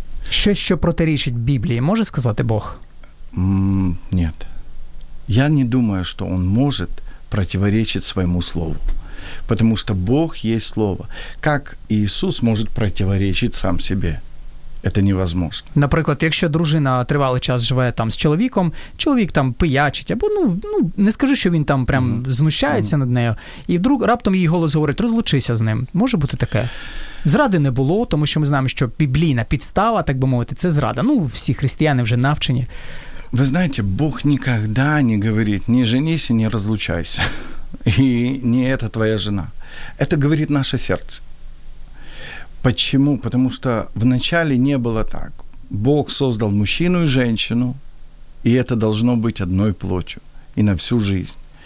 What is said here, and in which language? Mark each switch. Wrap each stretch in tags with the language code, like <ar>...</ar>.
<ru>Что еще противоречит Библии, может сказать Бог? Нет. Я не думаю, что Он может противоречит своему слову. Потому что Бог есть слово. Как Иисус может противоречить сам себе? Это невозможно.</ru> <uk>Наприклад, якщо дружина тривалий час живе там з чоловіком, чоловік там пиячить, або ну не скажу, що він там прям знущається над нею, і вдруг раптом її голос говорить, розлучися з ним. Може бути таке? Зради не було, тому що ми знаємо, що біблійна підстава, так би мовити, це зрада. Ну, всі християни вже навчені.</uk> <ru>Вы знаете, Бог никогда не говорит, не женись и не разлучайся, и не это твоя жена. Это говорит наше сердце. Почему? Потому что вначале не было так. Бог создал мужчину и женщину, и это должно быть одной плотью и на всю жизнь.</ru>